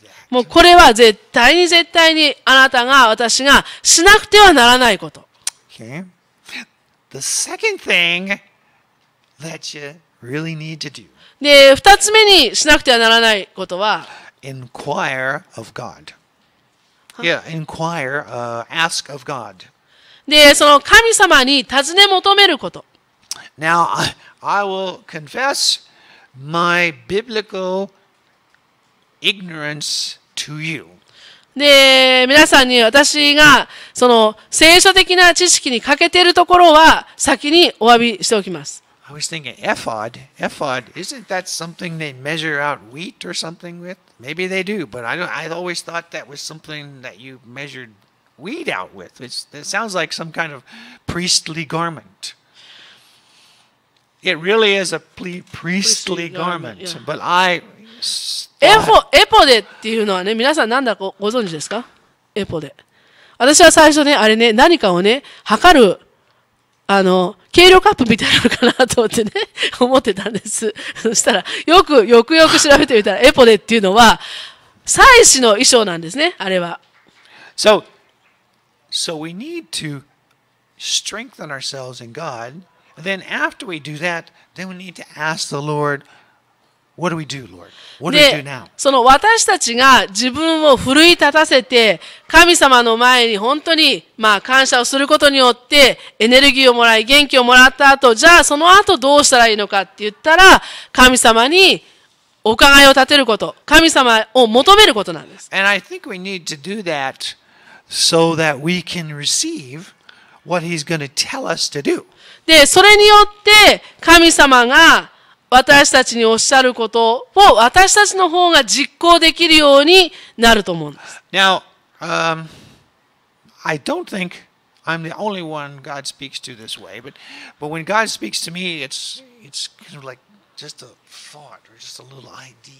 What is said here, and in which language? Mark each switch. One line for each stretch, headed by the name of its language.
Japanese: もうこれは絶対に絶対にあなたが私がしなくてはならないこと。
English: Okay. The second thing that you really need to do. で、二つ目にしなくてはならないことは、 inquire of God. Yeah, inquire, ask of God. で、その神様に尋ね求めること。 Now, I will confess my biblical ignorance to you. で、皆さんに私がその聖書的な知識に欠けているところは先にお詫びしておきます。 I was thinking, ephod, isn't that something they measure out wheat or something with? Maybe they do, but I always thought that was something that you measured. Weed out with. It sounds like some kind of priestly garment. It really is a priestly garment. But I.
Japanese: エポデっていうのはね、皆さん何だかご存知ですか？エポデ。私は最初ね、あれね、何かをね、測るあの計量カップみたいなのかなと思ってね、思ってたんです。そしたらよく調べてみたら、エポデっていうのは祭司の衣装なんですね、あれは。
English: So. So we need to strengthen ourselves in God. Then after we do that, then we need to ask the Lord, "What do we do, Lord? What do we do now?"
Japanese: その私たちが自分を奮い立たせて神様の前に本当にまあ感謝をすることによってエネルギーをもらい元気をもらった後、じゃあその後どうしたらいいのかって言ったら神様にお伺いを立てること、神様を求めることなんです。
English: And I think we need to do that so that we can receive what He's going to tell us to do.
Japanese: で、それによって神様が私たちにおっしゃることを私たちの方が実行できるようになると思うんです。
English: Now, I don't think I'm the only one God speaks to this way, but when God speaks to me, it's kind of like just a thought or just a little idea.